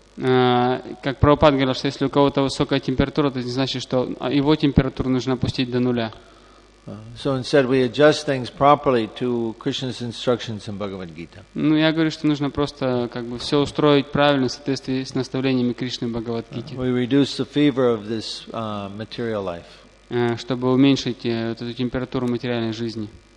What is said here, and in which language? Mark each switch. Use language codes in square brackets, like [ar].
[ru] Как Прабхупад говорил, что если у кого-то высокая температура, это не значит, что его температуру нужно опустить до нуля. [en] So instead, we adjust things properly to Krishna's instructions in Bhagavad Gita. [ru] Ну, я говорю, что нужно просто как бы все устроить правильно в соответствии с наставлениями Кришны в Бхагавад Гите. [en] We reduce the fever of this material life. [ru] Чтобы уменьшить вот эту температуру материальной жизни.